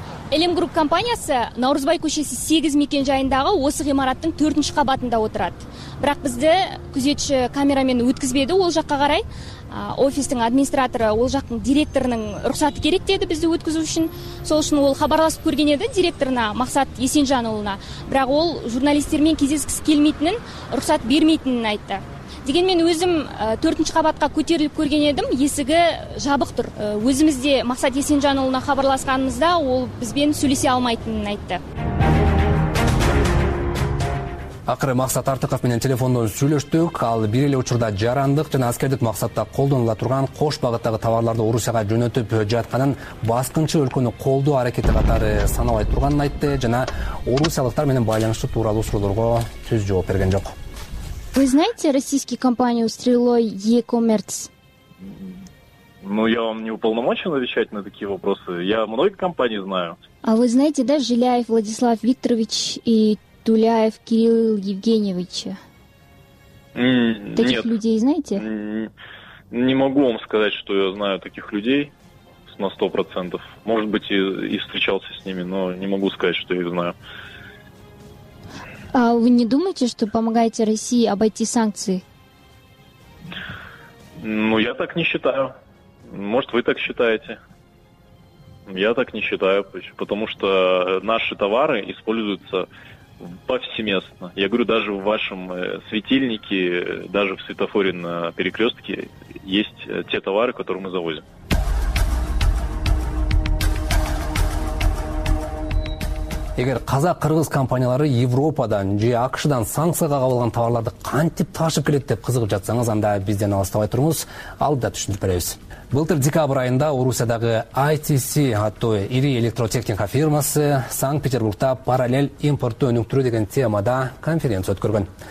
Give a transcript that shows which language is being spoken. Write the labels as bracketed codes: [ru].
[ky] LM Group компаниясы Наурызбай көчөсү 8 мекен жайындагы осы имараттын 4-нчү кабатында отурат. Бирок бизди күзөтчү камера менен өткөзбөдү ал жакка карай. Офистин администратору ал жактын директорунун уруксаты керек деди бизди өткөзүү үчүн. Сол үчүн ал кабарлашып көргөн эди директоруна Максат Эсенжан уулуна. Бирок ал журналисттер менен кездешкиси келмейтинин, уруксат бермейтинин айтты. [kk] Деген мен өзім 4-нчі қабатқа көтеріліп көрген едім, есігі жабық тұр. Өзімізде Мақсат Есенжанұлына хабарласқанымызда ол бізбен сөйлесе алмайтынын айтты. [ky] Акыры Максат Артыков менен телефондон сүйлөштүк. Ал бир эле учурда жарандык жана аскердик максатта колдонула турган кош багыттагы товарларды Орусияга жөнөтүп жатканын баскынчы өлкөнү колдоо аракети катары саналбай турганын айтты жана орусиялыктар менен байланыштуу тууралуу суроолорго түз жооп берген жок. [ru] Вы знаете российскую компанию Стрелой e-commerce? Ну, я вам не уполномочен отвечать на такие вопросы. Я много компаний знаю. А вы знаете, да, Жиляев Владислав Викторович и Туляев Кирилл Евгеньевич? Таких Людей знаете? Не могу вам сказать, что я знаю таких людей на 100%. Может быть, и встречался с ними, но не могу сказать, что я их знаю. А вы не думаете, что помогаете России обойти санкции? Ну, я так не считаю. Может, вы так считаете? Я так не считаю, потому что наши товары используются повсеместно. Я говорю, даже в вашем светильнике, даже в светофоре на перекрестке есть те товары, которые мы завозим. [ky] Эгер казак-кыргыз компаниялары Европадан же АКШдан санкцияга кабылган товарларды кантип ташып келет деп кызыгып жатсаңыз, анда бизден алыстабай туруңуз, ал да түшүнүп беребиз. Былтыр декабрь айында Орусиядагы ITC аттуу ири электротехника фирмасы Санкт-Петербургда параллель импортту өнүктүрүү деген темада конференция өткөргөн.